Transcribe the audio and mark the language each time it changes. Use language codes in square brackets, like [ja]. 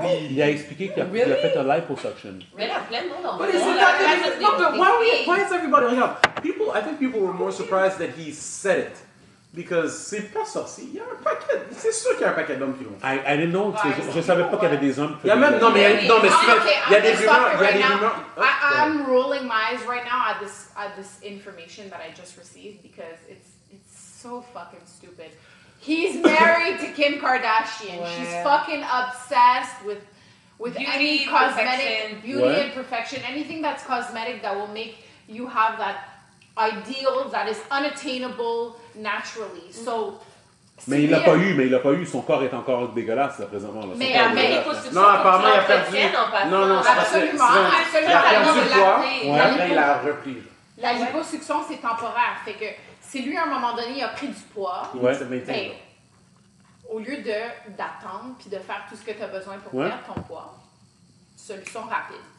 [fr] Il a expliqué qu'il a fait un liposuction. Mais [en] là, why is everybody, you know, I think people were more surprised that he said it. Because [fr] c'est pas sorcier, il y a un paquet, c'est sûr qu'il y a un paquet d'hommes qui l'ont. [en] I didn't know, [fr] je savais pas qu'il y avait des hommes. Il y a même, [en] I'm rolling my eyes right now at this information that I just received because it's so fucking stupid. He's married to Kim Kardashian. Ouais. She's fucking obsessed with beauty, any cosmetic, perfection. Beauty and perfection, anything that's cosmetic that will make you have that ideal that is unattainable naturally. So, [fr] mais il l'a pas eu, son corps est encore dégueulasse présentement. Là. Mais il faut se non, apparemment, il a perdu. Non, absolument. Il a perdu le poids, après il a repris. La liposuction, c'est temporaire. Fait que si lui, à un moment donné, il a pris du poids, au lieu d'attendre puis de faire tout ce que tu as besoin pour perdre ton poids, solution rapide.